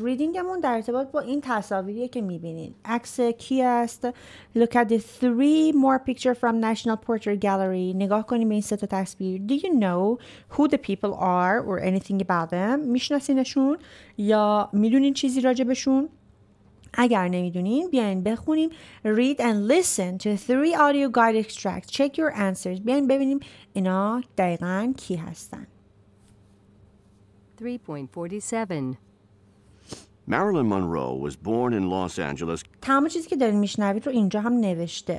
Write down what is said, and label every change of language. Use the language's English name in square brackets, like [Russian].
[Persian] ریدینگمون در ارتباط با این تصاویریه که میبینین. عکس کی است؟ [English] Look at the three more pictures from National Portrait Gallery. [Persian] نگاه کنیم به این سه تا تصویر. [English] Do you know who the people are or anything about them? [Persian] میشناسینشون یا میدونین چیزی راجبشون؟ اگر نمیدونین بیاین بخونیم. [English] Read and listen to three audio guide extracts. Check your answers. [Persian] بیاین ببینیم اینا دقیقا کی هستن. 3.47 [English] Marilyn Monroe was born in Los Angeles. [Persian] تمام چیزی که دارین میشنوید رو اینجا هم نوشته.